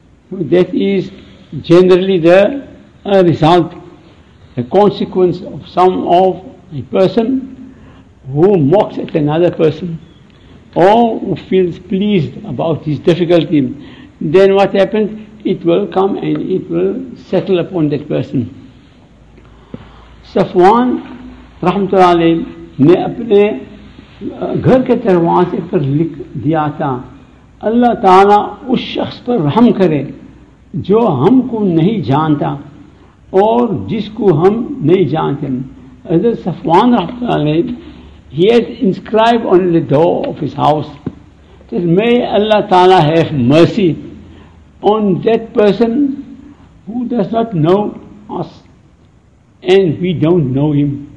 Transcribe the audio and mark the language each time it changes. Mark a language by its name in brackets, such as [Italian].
[English] So that is generally the result, the consequence of some of a person who mocks at another person or who feels pleased about his difficulty. Then what happens? It will come and it will settle upon that person. [Urdu] صفوان رحمت اللہ علیہ نے اپنے گھر کے دروازے پر لکھ دیا تھا اللہ تعالیٰ اس شخص پر رحم کرے جو ہم کو نہیں جانتا اور جس کو ہم نہیں جانتے. [English] حضرت صفوان رحمت اللہ علیہ he had inscribed on the door of his house that may Allah تعالیٰ have mercy on that person who does not know us and we don't know him.